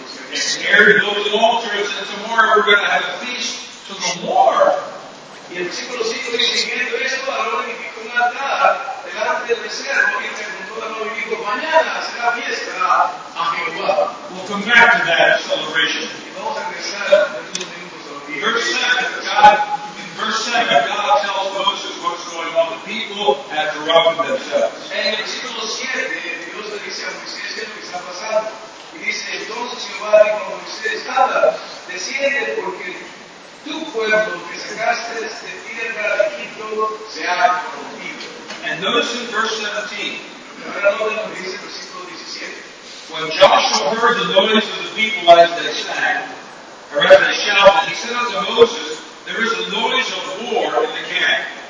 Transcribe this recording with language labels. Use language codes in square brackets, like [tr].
[en] And Aaron built an altar and said, tomorrow we're going to have a feast to the Lord. [es] Y el versículo 5 dice, siguiendo eso, Aarón edificó un altar delante del becerro y preguntó a los vivos, mañana será fiesta a Jehová. [en] We'll come back to that celebration. [es] Vamos a regresar [en] verse 7, God tells Moses what's going on. The people have corrupted themselves. [es] En el versículo 7, Dios le dice a Moisés, ¿qué es lo que está pasando? Y dice, entonces Jehová dijo a Moisés, nada, desciende porque tu pueblo que sacaste de tierra de Egipto se ha corrompido. [en] And notice in verse 17. [es] Ahora lo vemos, dice el versículo 17. [en] When Joshua heard the noise of the people as they sang, or as they shouted, he said unto Moses, there is a noise of war in the camp.